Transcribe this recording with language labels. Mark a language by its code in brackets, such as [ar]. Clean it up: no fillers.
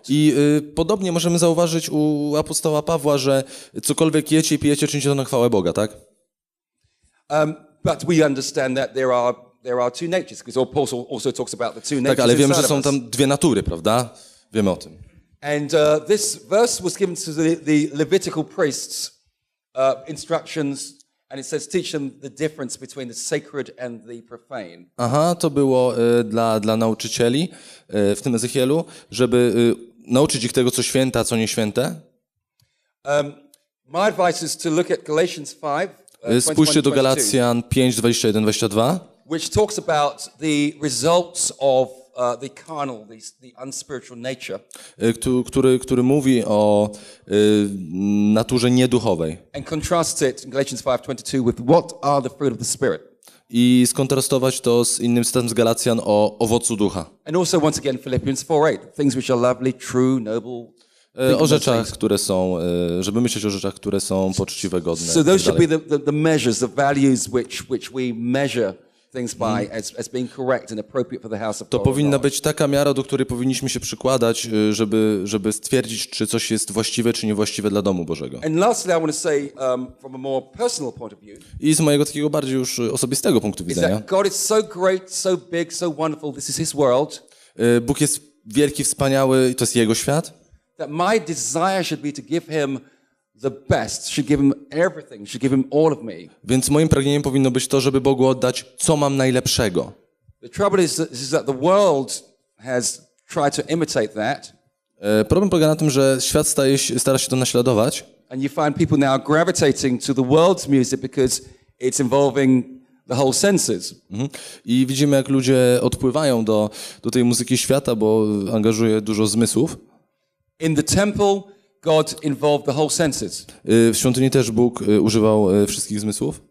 [pl] I podobnie możemy zauważyć u apostoła Pawła, że cokolwiek jecie i pijecie, czyńcie to na chwałę Boga, tak? [en] But we understand that there are two natures, because Paul also talks about the two natures. [pl] Tak, ale wiemy, że są tam dwie natury, prawda? Wiemy o tym. [en] And this verse was given to the Levitical priests instructions. And it says teach them the difference between the sacred and the profane. [pl] Aha, to było dla nauczycieli w tym Ezechielu, żeby nauczyć ich tego, co święte, a co nieświęte. [en] My advice is to look at Galatians 5. [pl] Spójrzcie do Galacjan 5:21-22. [en] Which talks about the results of the carnal, the unspiritual nature. [pl] Który mówi o naturze nieduchowej. [en] And contrast it in Galatians 5:22 with what are the fruit of the Spirit. [pl] I skontrastować to z innym cytatem z Galacjan o owocu ducha. [en] And also once again Philippians 4:8, things which are lovely, true, noble. [pl] O rzeczach, które są, żeby myśleć o rzeczach, które są poczciwe, godne. [en] So those should be the measures, the values which we measure. Things by as being correct and appropriate for the house of God. [pl] To powinna być taka miara, do której powinniśmy się przykładać, żeby stwierdzić, czy coś jest właściwe, czy niewłaściwe dla domu Bożego. [en] And lastly, I want to say from a more personal point of view. [pl] I z mojego takiego bardziej już osobistego punktu widzenia. [en] God is so great, so big, so wonderful. This is His world. [pl] Bóg jest wielki, wspaniały i to jest Jego świat. [en] That my desire should be to give Him the best, should give Him everything, should give Him all of me. [pl] Więc moim pragnieniem powinno być to, żeby Bogu oddać, co mam najlepszego. [en] The trouble is that the world has tried to imitate that. [pl] Problem polega na tym, że świat stara się to naśladować. [en] And you find people now gravitating to the world's music because it's involving the whole senses. Mm-hmm. [pl] I widzimy, jak ludzie odpływają do tej muzyki świata, bo angażuje dużo zmysłów. [en] In the temple, God involved the whole senses. [pl] W świątyni też Bóg używał wszystkich zmysłów.